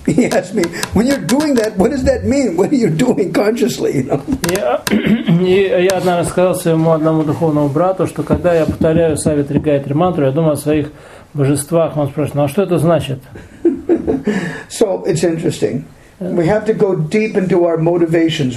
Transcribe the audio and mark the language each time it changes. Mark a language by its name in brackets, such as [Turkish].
[English] He asked me, when you're doing that, what does that mean? What are you doing consciously? [Russian] Я однажды сказал своему одному духовному брату, что когда я повторяю Савитри Гайатри мантру, я думаю о своих божествах. Он спрашивает, ну а что это значит? [English] So, it's interesting. We have to go deep into our motivations.